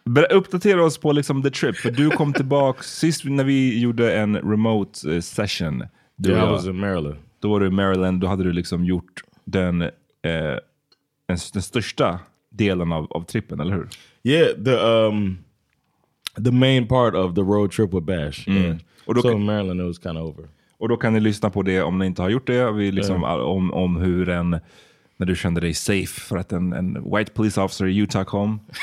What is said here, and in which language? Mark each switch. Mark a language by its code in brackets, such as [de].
[sv] Uppdatera oss på liksom [en] the trip, [sv] för du kom tillbaka sist när vi gjorde en remote session. [en] Yeah, I was in Maryland. [sv] Då var du i Maryland, då hade du liksom gjort den största delen av trippen, eller hur? [en] Yeah, the main part of the road trip with Bash. Yeah. [sv] Och då [en] in Maryland it was kind of over. [sv] Och då kan ni lyssna på det om ni inte har gjort det. Vi liksom om hur en... När du kände dig safe för att en [en] white police officer [sv] i Utah kom.